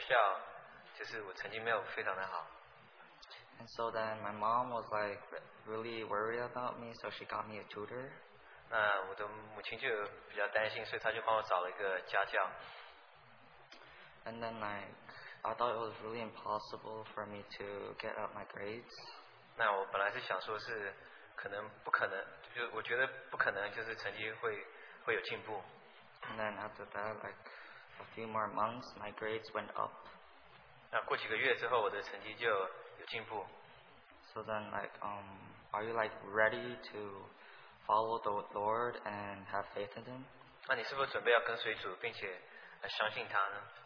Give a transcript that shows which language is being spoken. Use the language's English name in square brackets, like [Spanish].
[Chinese] 那这与我的生活相当有关系,因为我在学校,就是我成绩没有非常的好。 [English] And so then my mom was like really worried about me, so she got me a tutor. [Chinese] 那我的母亲就比较担心,所以她就帮我找了一个家教。 [English] And then like, I thought it was really impossible for me to get up my grades. [Chinese] 那我本来是想说是可能不可能,我觉得不可能就是成绩会有进步。 [English] And then after that, like a few more months, my grades went up. [Chinese] 那过几个月之后,我的成绩就有进步。 [English] So then like, are you like ready to follow the Lord and have faith in Him? [Chinese] 那你是不是准备要跟随主,并且相信他呢?